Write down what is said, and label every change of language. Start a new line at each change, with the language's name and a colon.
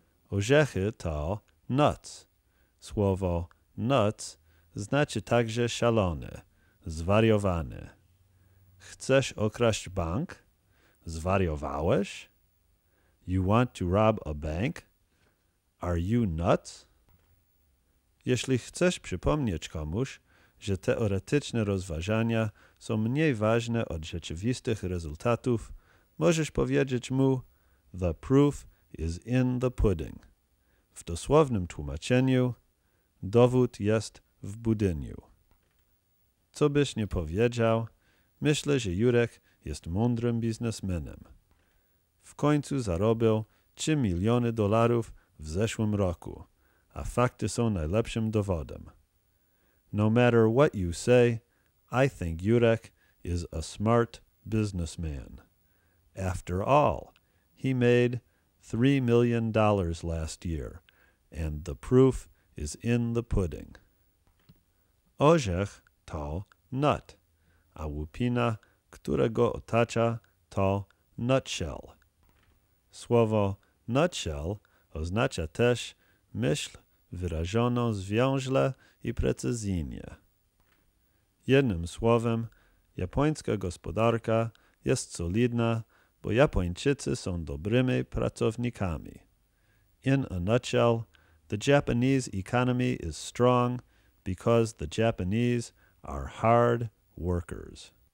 Polish: Orzechy to nuts. Słowo nuts znaczy także szalony, zwariowany. Chcesz okraść bank? Zwariowałeś?
English: You want to rob a bank? Are you nuts?
Polish: Jeśli chcesz przypomnieć komuś, że teoretyczne rozważania są mniej ważne od rzeczywistych rezultatów, możesz powiedzieć mu,
English: the proof is in the pudding.
Polish: W dosłownym tłumaczeniu, dowód jest w budyniu. Co byś nie powiedział, myślę, że Jurek jest mądrym biznesmenem. W końcu zarobił $3 miliony w zeszłym roku, a fakty są najlepszym dowodem.
English: No matter what you say, I think Jurek is a smart businessman. After all, he made $3 million last year, and the proof is in the pudding.
Polish: Orzech to nut, a łupina, która go otacza, to nutshell. Słowo nutshell oznacza też myśl wyrażoną zwięźle i precyzyjnie. Jednym słowem, japońska gospodarka jest solidna, bo Japończycy są dobrymi pracownikami.
English: In a nutshell, the Japanese economy is strong because the Japanese are hard workers.